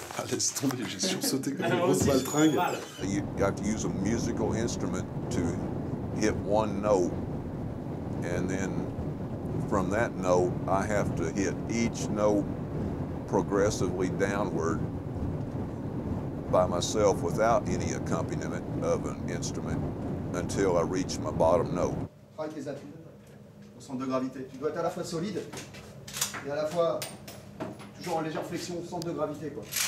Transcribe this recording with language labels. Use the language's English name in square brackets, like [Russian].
[French] Laisse tomber, j'ai sursauté comme une grosse baltringue. [English] You got to use a musical instrument to hit one note, and then from that note, I have to hit each note progressively downward by myself without any accompaniment of an instrument until I reach my bottom note. [French] Travaille tes appuis au centre de gravité. Tu dois être à la fois solide et à la fois toujours en légère flexion au centre de gravité, quoi.